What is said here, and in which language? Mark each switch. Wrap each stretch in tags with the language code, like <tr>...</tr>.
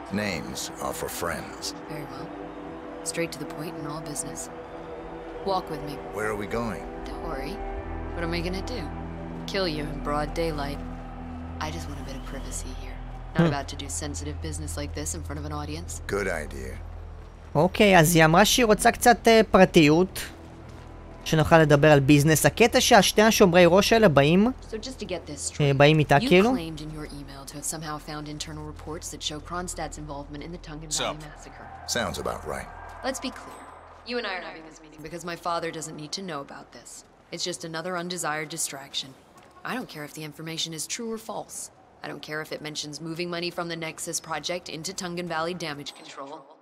<en>Names are for friends. Very well. Straight to the point in all business. Walk with me. Where are we going? Don't worry. What am I going to do? Kill you in broad daylight. I just want a bit of privacy here. Not about to do sensitive business like this in front of an audience. Good idea.</en> <he>אוקיי, אז היא אמרה שהיא רוצה קצת פרטיות שנוכל לדבר על ביזנס. הקטע שהשתי השומרי ראש האלה באים באים איתה כאילו.</he> <en>You claimed to have somehow found internal reports that show Kronstadt's involvement in the Tungan Valley massacre. Sounds about right. Let's be clear. You and I are not having this meeting because my father doesn't need to know about this. It's just another undesired distraction. I don't care if the information is true or false. I don't care if it mentions moving money from the Nexus project into Tungan Valley damage control.</en>